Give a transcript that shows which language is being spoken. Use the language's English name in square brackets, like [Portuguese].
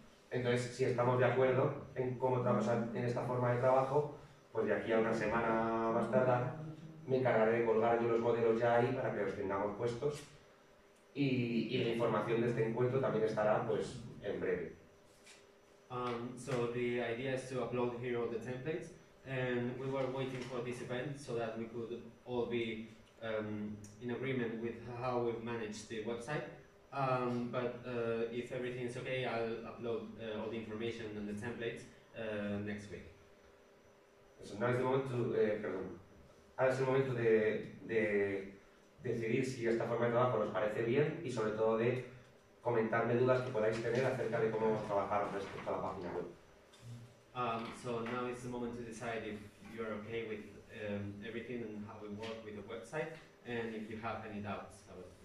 [Spanish] Entonces, si estamos de acuerdo en cómo trabajar, o sea, en esta forma de trabajo, pues de aquí a una semana más tardar, me encargaré de colgar yo los modelos ya ahí para que los tengamos puestos. Y la información de este encuentro también estará, pues, en breve. [English] So the idea is to upload here all the templates, and we were waiting for this event so that we could all be in agreement with how we've managed the website. But if everything is okay, I'll upload all the information and the templates next week. So now is the moment to, [Spanish] ahora es el momento de decidir si esta forma de trabajo nos parece bien y sobre todo de comentarme dudas que podáis tener acerca de cómo vamos a trabajar respecto a la página web. [English] So now is the moment to decide if you're okay with everything and how we work with the website and if you have any doubts about it.